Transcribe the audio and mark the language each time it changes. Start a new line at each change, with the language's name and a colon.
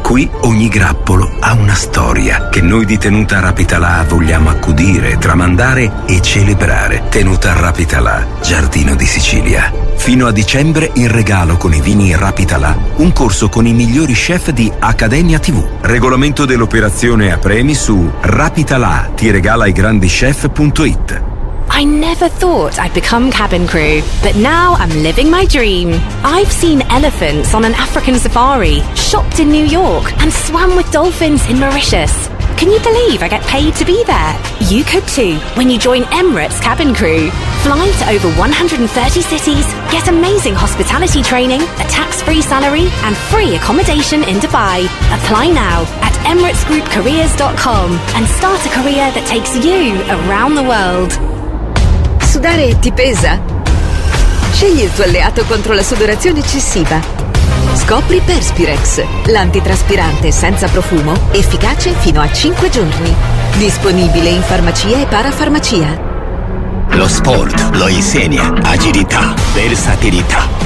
Italian: Qui ogni grappolo ha una storia che noi di Tenuta Rapitalà vogliamo accudire, tramandare e celebrare. Tenuta Rapitalà, giardino di Sicilia. Fino a dicembre in regalo con i vini Rapitalà un corso con i migliori chef di Accademia TV. Regolamento dell'operazione a premi su Rapitalà ti regala i grandi chef.it.
English: I never thought I'd become cabin crew, but now I'm living my dream. I've seen elephants on an African safari, shopped in New York, and swam with dolphins in Mauritius. Can you believe I get paid to be there? You could too when you join Emirates Cabin Crew. Fly to over 130 cities, get amazing hospitality training, a tax-free salary, and free accommodation in Dubai. Apply now at EmiratesGroupCareers.com and start a career that takes you around the world.
Italian: Sudare ti pesa? Scegli il tuo alleato contro la sudorazione eccessiva. Scopri Perspirex, l'antitraspirante senza profumo, efficace fino a 5 giorni. Disponibile in farmacia e parafarmacia. Lo sport lo insegna agilità, versatilità.